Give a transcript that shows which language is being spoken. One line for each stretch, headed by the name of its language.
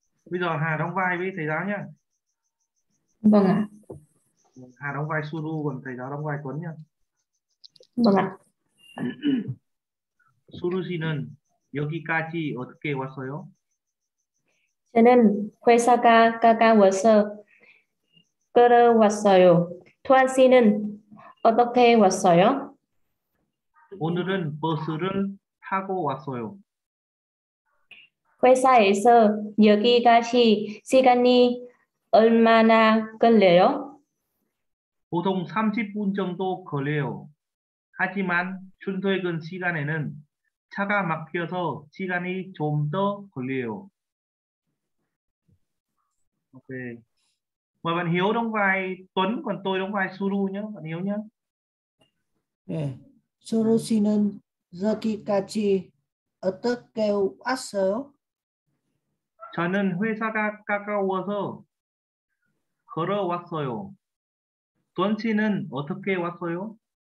Vietnamese: Bây giờ Hà đóng vai với thầy giáo nhá. Vâng ạ. Hà đóng vai Suru còn thầy giáo đóng vai Tuấn nhá. Vâng ạ.
Korean: Suru 씨는 여기까지 어떻게 왔어요? 저는 회사가 가까워서 걸어왔어요. 투안 씨는 어떻게 왔어요? 오늘은 버스를 타고 왔어요. 회사에서 여기까지 시간이 얼마나 걸려요? 보통 30분 정도 걸려요. 하지만 출퇴근 시간에는 차가 막혀서 시간이 좀 더 걸려요. 오케이.
Vietnamese: Mời bạn Hiếu đóng vai Tuấn, còn tôi đóng vai Suru nhé, bạn Hiếu nhé.
Korean: Suru 씨는 여기까지 어떻게 왔어요? 저는 회사가 가까워서 걸어왔어요. 돈 씨는 어떻게 왔어요?